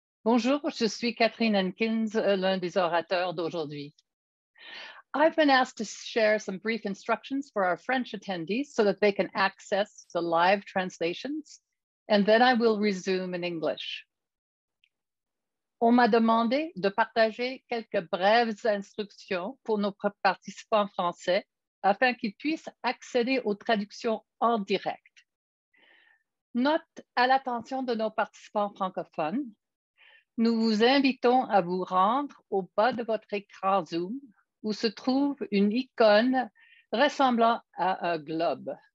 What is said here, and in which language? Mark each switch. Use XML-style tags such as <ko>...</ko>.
<fr>Bonjour, je suis Catherine Hankins, l'un des orateurs d'aujourd'hui.</fr> <en>I've been asked to share some brief instructions for our French attendees so that they can access the live translations, and then I will resume in English.</en> <fr>On m'a demandé de partager quelques brèves instructions pour nos participants français afin qu'ils puissent accéder aux traductions en direct. Note à l'attention de nos participants francophones, nous vous invitons à vous rendre au bas de votre écran Zoom où se trouve une icône ressemblant à un globe.</fr>